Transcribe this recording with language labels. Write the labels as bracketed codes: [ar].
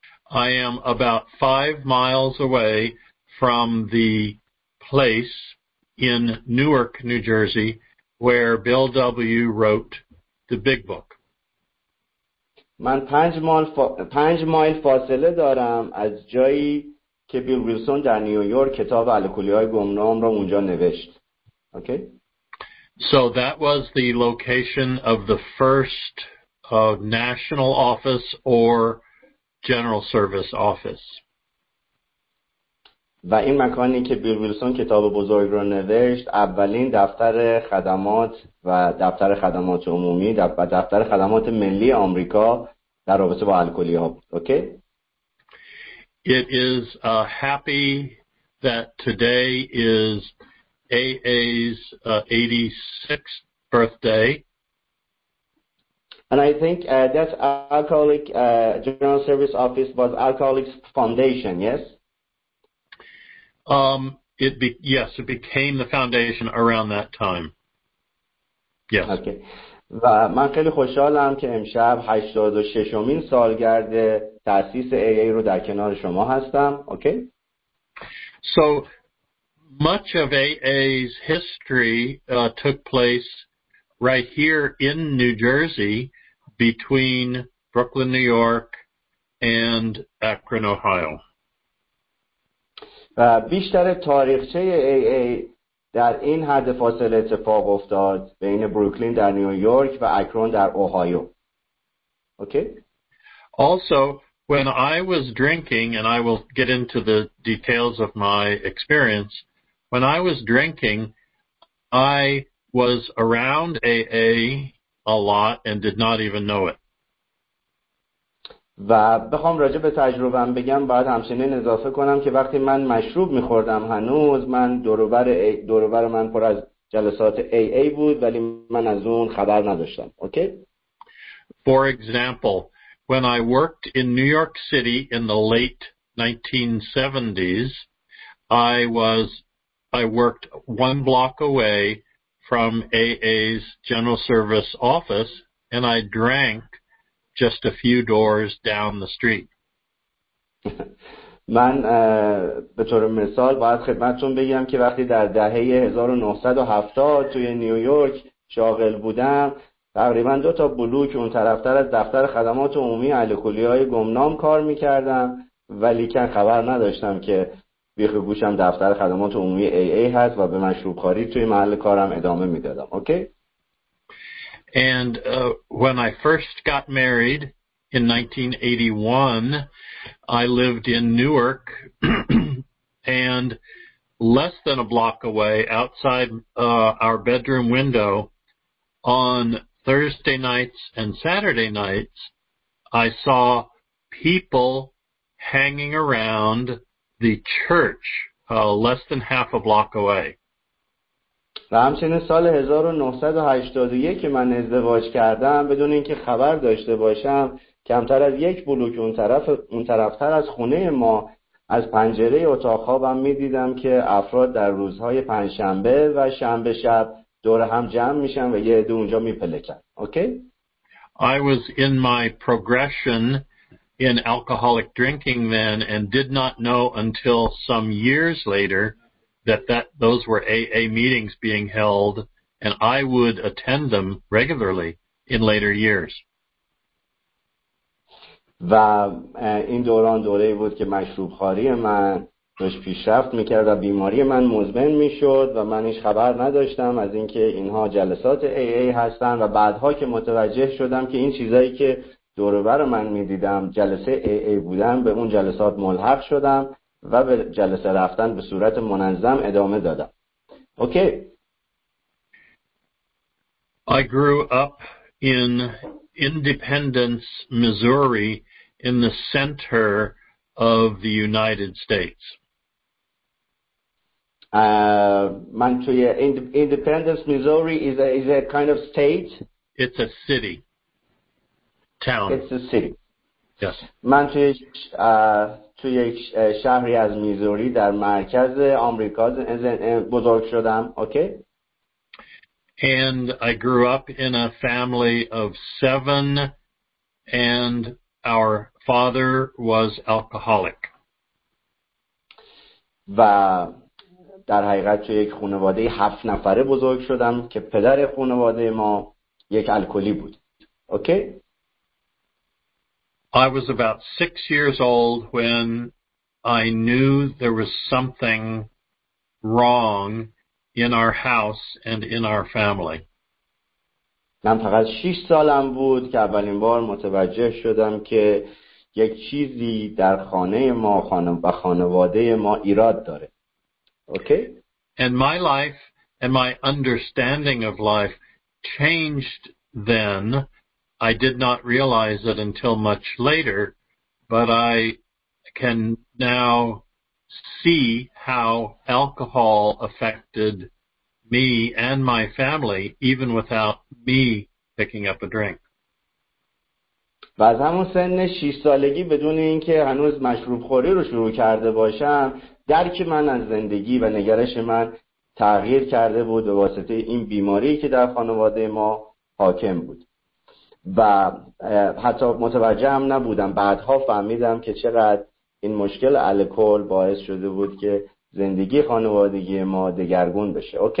[en] I am about 5 miles away from the place in Newark, New Jersey, where Bill W. wrote the Big Book. [fa] من 5 mile فاصله دارم از جایی که بیل ویلسون در نیویورک کتاب الکلی‌های گمنام را اونجا نوشت. [en] Okay. So that was the location of the first national office or general service office. [fa] و این مکانی که بیل ویلسون کتاب بزرگ رو نوشت، اولین دفتر خدمات و دفتر خدمات عمومی و دفتر خدمات ملی آمریکا در رابطه با الکلی ها بود. [en] Okay? It is happy that today is AA's 86th birthday. And I think that alcoholic general service office was Alcoholics Foundation, yes? It became the foundation around that time. Yes. Okay. [fa] و من خیلی خوشحالم که امشب 86th سالگرد تأسیس AA رو در کنار شما هستم. [en] Okay? So much of AA's history took place right here in New Jersey between Brooklyn, New York and Akron, Ohio. [fa] بیشتر تاریخچه AA در این حد فاصله اتفاق افتاد بین بروکلین در نیویورک و اکرون در اوهایو. [en] Okay? Also, when I was drinking, and I will get into the details of my experience, when I was drinking, I was around AA a lot and did not even know it. [fa] و بخوام راجع به تجربه‌ام بگم، باید همچنین اضافه کنم که وقتی من مشروب می‌خوردم، هنوز من دوروبر من پر از جلسات AA بود، ولی من از اون خبر نداشتم. [en] Okay? For example, when I worked in New York City in the late 1970s, I worked one block away from AA's general service office, and I drank just a few doors down the street. [fa] من به طور مثال باید خدمتتون بگم که وقتی در دهه 1970 توی نیویورک شاغل بودم، تقریبا دو تا بلوک اون طرفتر از دفتر خدمات عمومی الکلی‌های گمنام کار می‌کردم، ولی که خبر نداشتم که بیخ گوشم دفتر خدمات عمومی AA هست و به مشروب‌خواری توی محل کارم ادامه میدادم. [en] Okay? And when I first got married in 1981, I lived in Newark and less than a block away outside our bedroom window on Thursday nights and Saturday nights, I saw people hanging around the church less than half a block away. [fa] و همچنین سال 1981 که من ازدواج کردم بدون اینکه خبر داشته باشم کمتر از یک بلوک اون طرفتر از خونه ما از پنجره اتاق خوابم می دیدم که افراد در روزهای پنجشنبه و شنبه شب دور هم جمع میشن و یه عده اونجا می پلکن. [en] Okay? I was in my progression in alcoholic drinking then and did not know until some years later that those were AA meetings being held, and I would attend them regularly in later years. [fa] و این دوران دوره‌ای بود که مشروب‌خواری من داشت پیشرفت می‌کرد و بیماری من مزمن می‌شد و من هیچ خبر نداشتم از اینکه اینها جلسات AA هستن و بعدها که متوجه شدم که این چیزایی که دور و بر من می‌دیدم جلسه AA بودن به اون جلسات ملحق شدم و به جلسه رفتن به صورت منظم ادامه دادم. [en] Okay. I grew up in Independence, Missouri in the center of the United States. Montreal, Independence, Missouri is a kind of state. It's a city. Town. It's a city. Yes. [fa] Montreal توی یک شهری از میزوری در مرکز آمریکا بزرگ شدم. [en] Okay? And I grew up in a family of seven and our father was alcoholic. [fa] و در حقیقت توی یک خانواده هفت نفره بزرگ شدم که پدر خانواده ما یک الکلی بود. [en] Okay? I was about 6 years old when I knew there was something wrong in our house and in our family. [fa] من فقط 6 سالم بود که اولین بار متوجه شدم که یک چیزی در خانه ما و خانواده ما ایراد داره. [en] Okay? And my life and my understanding of life changed then. I did not realize it until much later, but I can now see how alcohol affected me and my family, even without me picking up a drink. [fa] و از همون سن 6 سالگی بدون اینکه هنوز مشروب خوری رو شروع کرده باشم، درک من از زندگی و نگرش من تغییر کرده بود به واسطه این بیماری که در خانواده ما حاکم بود. و حتی متوجه هم نبودم بعدها فهمیدم که چقدر این مشکل الکل باعث شده بود که زندگی خانوادگی ما دگرگون بشه.